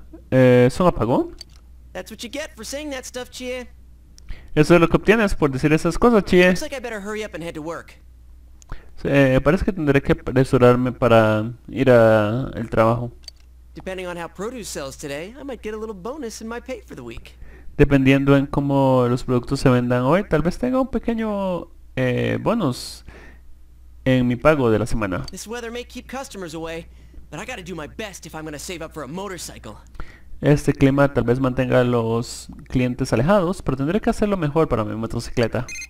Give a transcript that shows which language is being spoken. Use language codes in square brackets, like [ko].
[es] ¿Es un apagón? Eso es lo que obtienes por decir esas cosas, Chie. Parece que tendré que apresurarme para ir al trabajo. [en] Depending on how produce sells today, I might get a little bonus in my pay for the week. [es] Dependiendo en cómo los productos se vendan hoy, tal vez tenga un pequeño bonus en mi pago de la semana. [en] This weather may keep customers away, but I gotta do my best if I'm gonna save up for a motorcycle. [es] Este clima tal vez mantenga a los clientes alejados, pero tendré que hacerlo mejor para mi motocicleta.